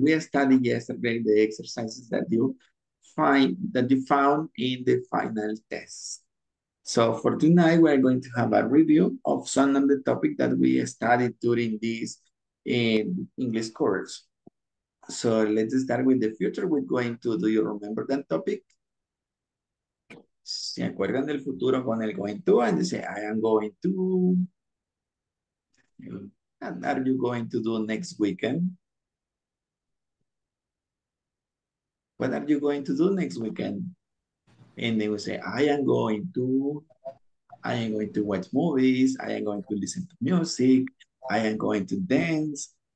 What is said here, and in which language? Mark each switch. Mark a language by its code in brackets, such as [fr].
[en] We studied yesterday the exercises that you found in the final test. So for tonight, we're going to have a review of some of the topics that we studied during this English course. So let's start with the future. We're going to, do you remember that topic? [es] ¿Se acuerdan del futuro con el going to? [en] And they say, I am going to. And are you going to do next weekend? What are you going to do next weekend? And they will say, I am going to watch movies. I am going to listen to music. I am going to dance.